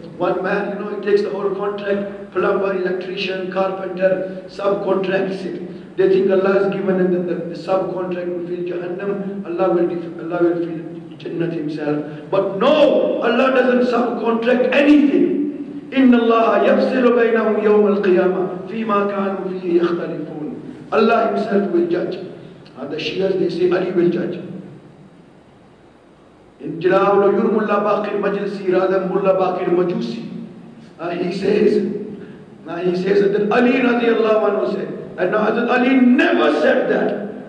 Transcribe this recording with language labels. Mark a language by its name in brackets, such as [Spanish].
[English] One man, you know, he takes the whole contract, plumber, electrician, carpenter, subcontracts it. They think Allah has given them the subcontract to fill Jahannam. Allah will fill Jannat himself. But no, Allah doesn't subcontract anything. [Arabic] إِنَّ اللَّهَ يَفْصِلُ بَيْنَهُمْ يَوْمَ الْقِيَامَةِ فِي مَا كَانُوا فِيهِ يَخْتَلِفُونَ [English] Allah himself will judge. And the Shias, they say, Ali will judge. In Jilawlu Yur Mullah Baqir Majlisi Radha Mullah Baqir Majusi. He says that Ali radiallahu anhu said, and now Hazrat Ali never said that.